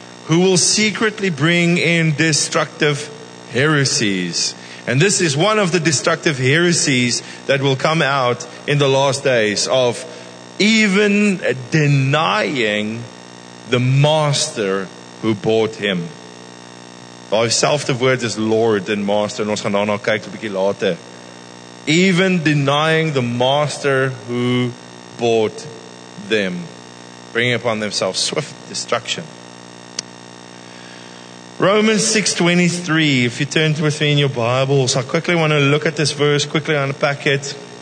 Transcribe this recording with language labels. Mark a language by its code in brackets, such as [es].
[en] Who will secretly bring in destructive heresies. And this is one of the destructive heresies that will come out in the last days, of even denying the master who bought him. [af] By selfde woord is Lord and Master, en ons gaan daarna kyk 'n bietjie later. [en] Even denying the Master who bought them, bringing upon themselves swift destruction. Romans 6:23, if you turn with me in your Bibles, I quickly want to look at this verse, quickly unpack it.